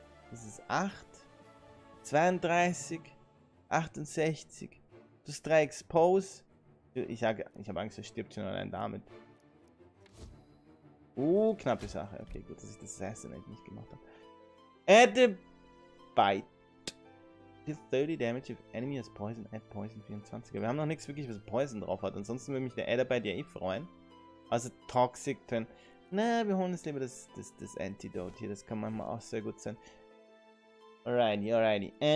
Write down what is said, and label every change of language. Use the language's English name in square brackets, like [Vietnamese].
[German] Das ist 8. 32. 68. [English] Plus 3 Expose. [German] Ich habe Angst, er stirbt schon allein damit. Knappe Sache. Okay, gut, dass ich das Assassinate nicht gemacht habe. [English] Add a bite. Deal 30 damage if enemy has poison. Add poison 24. [German] Wir haben noch nichts wirklich, was Poison drauf hat. Ansonsten würde mich der Adderbite ja eh freuen. Also Toxic Turn. Na, wir holen uns lieber das Antidote hier. Das kann manchmal auch sehr gut sein. Alrighty.